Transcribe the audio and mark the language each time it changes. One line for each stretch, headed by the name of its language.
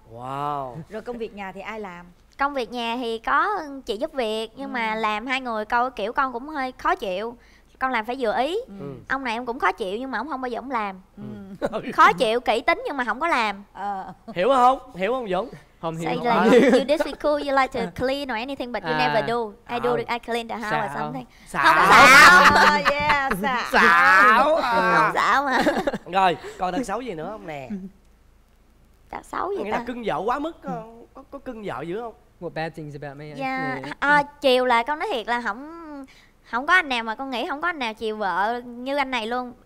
English: Wow.
Vietnamese: Rồi công việc nhà thì ai làm? Công việc nhà thì có chị giúp việc nhưng mà làm hai người coi kiểu con cũng hơi khó chịu. Con làm phải vừa ý. Ông này em cũng khó chịu nhưng mà ông không bao giờ ông làm. Khó chịu, kỹ tính nhưng mà không có làm. Hiểu không? Hiểu không Dũng? Không hiểu.
English: Say like, you disagree cool, you like to clean or anything but you never do. I do, I clean the house or something.
Vietnamese: Xạo. Không xạo.
English: Yeah,
Vietnamese: xạo. Không xạo mà. Rồi, còn tật xấu gì nữa không nè? Tật xấu gì ta? Nghĩa là cưng vợ quá mức, có cưng vợ dữ không?
English: What bad things about me?
Vietnamese: Yeah, chiều là con nói thiệt là không... Không có anh nào mà con nghĩ không có anh nào chiều vợ như anh này luôn.